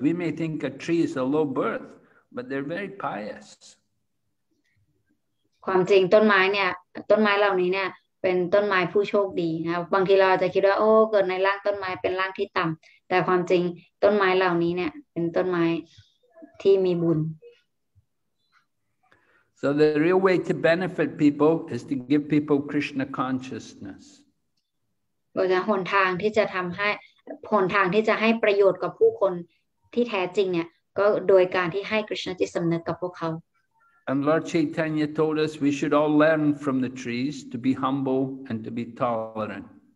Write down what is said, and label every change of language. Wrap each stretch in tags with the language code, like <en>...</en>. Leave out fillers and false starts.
<en>We may think a tree is a low birth, but they're very pious.</en> <th>ความจริงต้นไม้เนี่ยต้นไม้เหล่านี้เนี่ยเป็นต้นไม้ผู้โชคดีนะบางทีเราจะคิดว่าโอ้เกิดในร่างต้นไม้เป็นร่างที่ต่ำแต่ความจริงต้นไม้เหล่านี้เนี่ยเป็นต้นไม้ที่มีบุญ</th> <en>So the real way to benefit people is to give people Krishna consciousness.</en> <th>เราจะหนทางที่จะทำให้หนทางที่จะให้ประโยชน์กับผู้คนที่แท้จริงเนี่ยก็โดยการที่ให้คริสต์จิตสำนึกกับพวกเขา</th> <en>And Lord Chaitanya told us we should all learn from the trees to be humble and to be tolerant.</en>